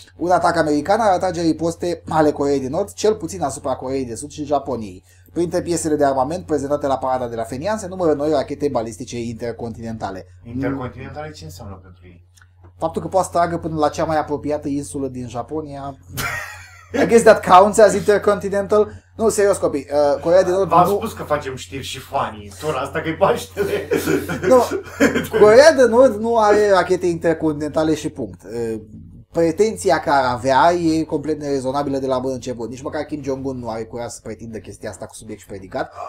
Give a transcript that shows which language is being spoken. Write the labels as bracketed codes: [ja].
[ro] Un atac american ar atrage riposte ale Coreei de Nord, cel puțin asupra Coreei de Sud și Japoniei. Printre piesele de armament prezentate la parada de la Phenian se numără noi rachete balistice intercontinentale. Intercontinentale ce înseamnă pentru ei? Faptul că poate să tragă până la cea mai apropiată insulă din Japonia. [en] I guess that counts as intercontinental. [ro] Nu, serios copii, Coreea de Nord... V-am nu... spus că facem știri și fanii în tura asta, că-i Paștele. Nu, Coreea de Nord nu are rachete intercontinentale și punct. Pretenția că ar avea e complet nerezonabilă de la bun început. Nici măcar Kim Jong-un nu are curaj să pretindă chestia asta cu subiect și predicat.